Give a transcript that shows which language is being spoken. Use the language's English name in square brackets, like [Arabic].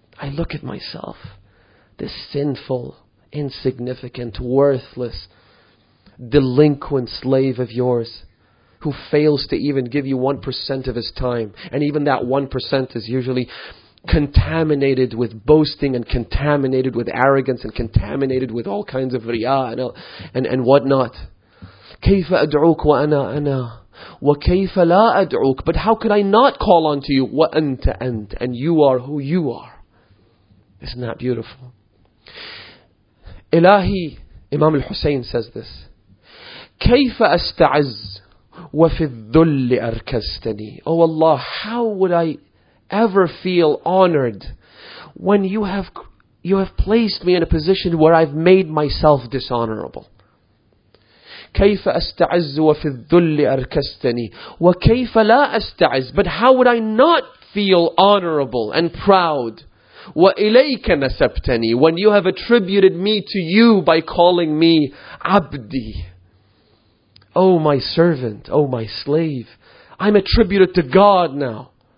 [English] I look at myself, this sinful, insignificant, worthless, delinquent slave of yours who fails to even give you 1% of his time. And even that 1% is usually contaminated with boasting and contaminated with arrogance and contaminated with all kinds of riyah and whatnot. [Arabic] كيف أدعوك وأنا أنا وكيف لا أدعوك. [English] But how could I not call on to you [Arabic] وأنت أنت, [English] and you are who you are. Isn't that beautiful? [Arabic] إلهي, [English] Imam al-Hussein says this, [Arabic] كيف أستعز وفي الذل أركزتني. [English] Oh Allah, how would I ever feel honored when you have placed me in a position where I've made myself dishonorable. [Arabic] كيف أستعز وفي الذل أركستني وكيف لا أستعز. [English] But how would I not feel honorable and proud? [Arabic] وإليك نسبتني, [English] when you have attributed me to you by calling me [Arabic] عبدي. [English] Oh my servant, oh my slave, I'm attributed to God now.